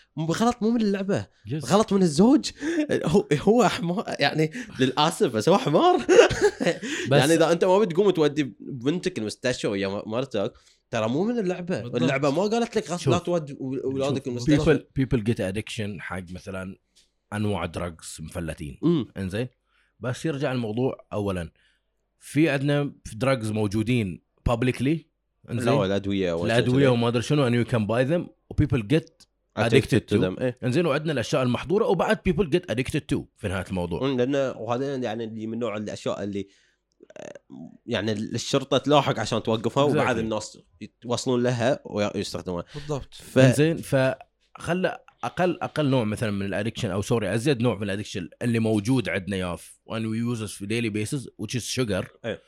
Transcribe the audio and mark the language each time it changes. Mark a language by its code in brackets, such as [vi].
[ar] غلط مو من اللعبة، غلط من الزوج، هو حمار يعني للأسف، بس هو حمار بس يعني إذا أنت ما بتقوم تودي بنتك المستشفى ويا مرتك ترى مو من اللعبة. اللعبة ما قالت لك غلط لا تودي أولادك المستشفى. [en] people get addiction [ar] حق مثلا أنواع دراجز مفلتين إنزين. بس يرجع الموضوع أولا، في عندنا دراجز موجودين publicly الأدوية وما أدري شنو، [en] and you can buy them and people get addicted to them. [ar] إنزين وعندنا الأشياء المحظورة وبعد [en] people get addicted to [ar] في نهاية الموضوع. لأنه وهذا يعني من نوع الأشياء اللي يعني الشرطة تلاحق عشان توقفها وبعد الناس يوصلون لها ويستخدمونها. بالضبط. إنزين فخلى أقل نوع مثلاً من الأدكشن أو سوري أزيد نوع من الأدكشن اللي موجود عندنا ياف [en] and we use it for daily basis which is sugar.